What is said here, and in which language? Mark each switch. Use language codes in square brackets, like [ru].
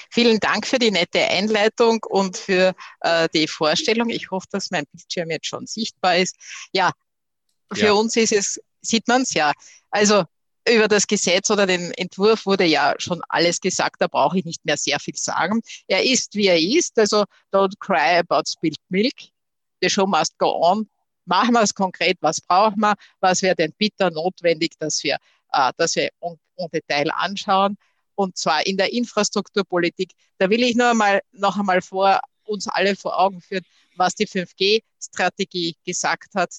[de] Vielen Dank für die nette Einleitung und für die Vorstellung. Ich hoffe, dass mein Bildschirm jetzt schon sichtbar ist. Ja, für uns ist es, sieht man es ja. Also über das Gesetz oder den Entwurf wurde ja schon alles gesagt, da brauche ich nicht mehr sehr viel sagen. Er ist, wie er ist, also [en] don't cry about spilled milk. The show must go on. [de] Machen wir es konkret, was brauchen wir, was wäre denn bitter notwendig, dass wir im Detail anschauen. Und zwar in der Infrastrukturpolitik. Da will ich noch einmal vor uns alle vor Augen führen, was die 5G-Strategie gesagt hat.